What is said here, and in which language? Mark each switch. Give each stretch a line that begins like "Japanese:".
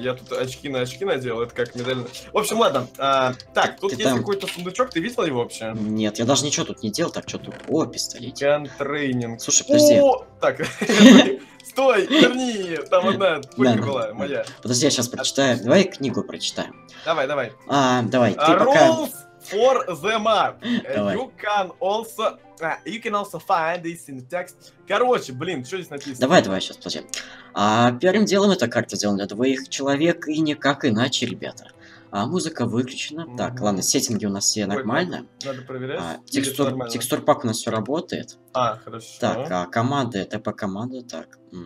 Russian: Я тут очки надел, это как медаль. В общем, ладно. Тут ты есть там... какой-то сундучок, ты видел его вообще? Нет, я даже ничего тут не делал, так что тут... О, пистолетик. Контрейнинг. Слушай, подожди. О! Так, стой, верни! Там одна пуля была, моя. Подожди, я сейчас прочитаю. Давай книгу прочитаем. Давай. Давай, ты пока...
English: For the map. You can also find this in the text.
Russian: Короче, блин, что здесь написано? Давай, сейчас, подожди. Первым делом эта карта сделана для двоих человек, и никак иначе, ребята. Музыка выключена. Mm-hmm. Так, ладно, сеттинги у нас все нормально. Надо проверять. Текстурпак у нас все работает. Хорошо. Так, команда, это по команде, так.